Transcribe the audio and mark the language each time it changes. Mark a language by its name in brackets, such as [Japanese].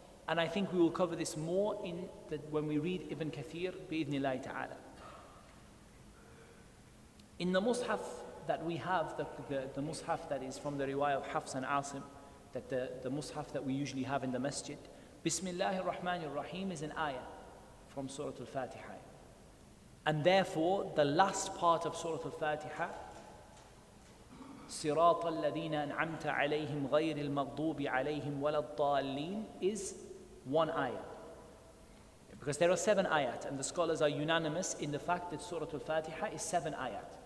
[English] And I think we will cover this more in the, when we read Ibn Kathir, [Arabic] bi-idhnillahi ta'ala. [English] In the Mus'haf that we have, the Mus'haf that is from the riwayah of Hafs and Asim, that the Mus'haf that we usually have in the masjid, Bismillahir Rahmanir Rahim is an ayah from Surah Al-Fatiha. And therefore, the last part of Surah Al-Fatiha, [Arabic] صراط الذين أنعمت عليهم غير المغضوب عليهم ولا الضالين, [English] is one ayah. Because there are seven ayat, and the scholars are unanimous in the fact that Surah Al-Fatiha is seven ayat.